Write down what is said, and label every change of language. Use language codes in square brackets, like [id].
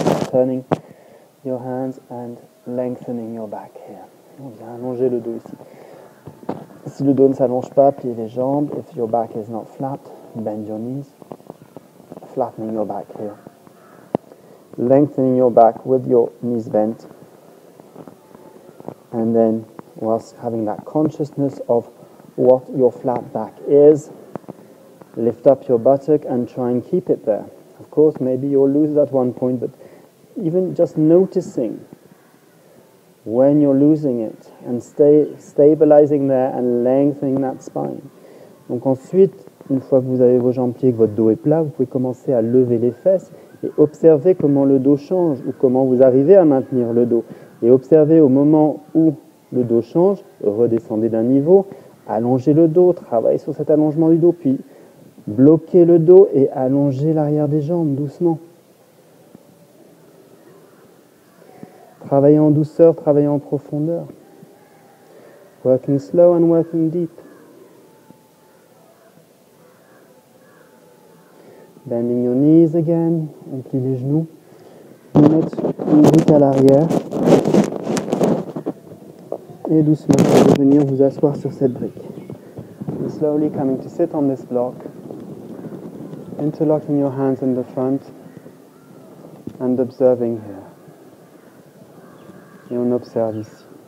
[en] Turning your hands and lengthening your back here. [fr] On vient allonger le dos ici. Si le dos ne s'allonge pas, pliez les jambes. [en] If your back is not flat, bend your knees. Flattening your back here. Lengthening your back with your knees bent. And then, whilst having that consciousness of what your flat back is, lift up your buttock and try and keep it there. Of course, maybe you'll lose it at one point, but even just noticing when you're losing it and stabilizing there and lengthening that spine. [fr] Donc ensuite, une fois que vous avez vos jambes pliées, que votre dos est plat, vous pouvez commencer à lever les fesses et observer comment le dos change ou comment vous arrivez à maintenir le dos. Et observez au moment où le dos change, redescendez d'un niveau, allongez le dos, travaillez sur cet allongement du dos, puis bloquez le dos et allongez l'arrière des jambes doucement. Travaillez en douceur, travaillez en profondeur. [en] Working slow and working deep. Bending your knees again, [fr] on plie les genoux. Mettre une voûte à l'arrière. Et doucement, vous allez venir vous asseoir sur cette brique. [en] And slowly coming to sit on this block. Interlocking your hands in the front. And observing here. [fr] Et on observe ici.